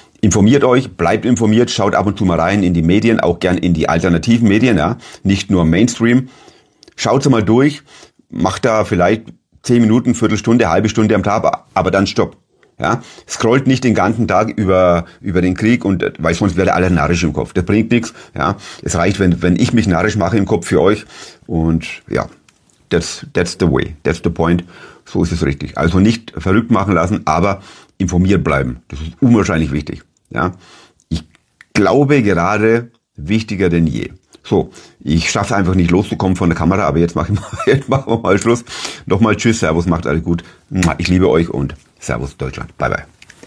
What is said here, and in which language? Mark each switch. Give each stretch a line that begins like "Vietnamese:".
German: Informiert euch, bleibt informiert, schaut ab und zu mal rein in die Medien, auch gern in die alternativen Medien, ja, nicht nur Mainstream. Schaut mal durch, macht da vielleicht 10 Minuten, Viertelstunde, halbe Stunde am Tag, aber dann stopp. Ja, scrollt nicht den ganzen Tag über den Krieg und weil sonst werde alle narrisch im Kopf. Das bringt nichts. Ja, es reicht, wenn ich mich narrisch mache im Kopf für euch. Und ja,
English: that's the way, that's the point.
German: So ist es richtig. Also nicht verrückt machen lassen, aber informiert bleiben. Das ist unwahrscheinlich wichtig. Ja, ich glaube gerade wichtiger denn je. So, ich schaffe einfach nicht loszukommen von der Kamera, aber jetzt machen wir mal Schluss. Nochmal tschüss, servus, macht alles gut. Ich liebe euch und servus Deutschland. Bye, bye.